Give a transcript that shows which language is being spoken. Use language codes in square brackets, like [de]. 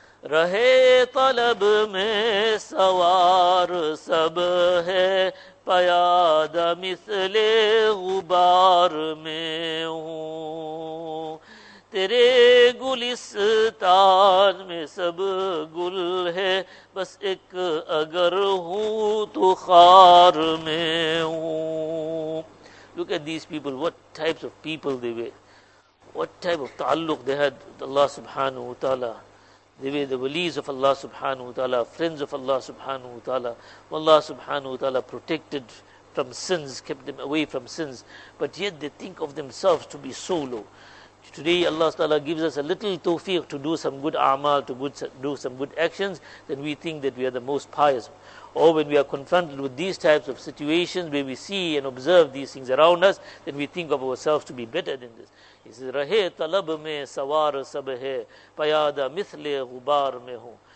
[ur] رہے طلب میں سوار سب ہے پیاد مثل غبار میں ہوں تیرے گلستان میں سب گل ہے بس ایک اگر ہوں تو خار میں ہوں [en] Look at these people, what types of people they were, what type of تعلق they had with Allah subhanahu wa ta'ala. They were the walis of Allah subhanahu wa ta'ala, friends of Allah subhanahu wa ta'ala. Allah subhanahu wa ta'ala protected from sins, kept them away from sins. But yet they think of themselves to be so low. Today Allah ta'ala gives us a little tawfiq to do some good a'mal, to do some good actions, then we think that we are the most pious. Or when we are confronted with these types of situations where we see and observe these things around us, then we think of ourselves to be better than this. He says, [ur] رہے طلب میں سوار سب ہے پیادہ مثل غبار میں ہوں.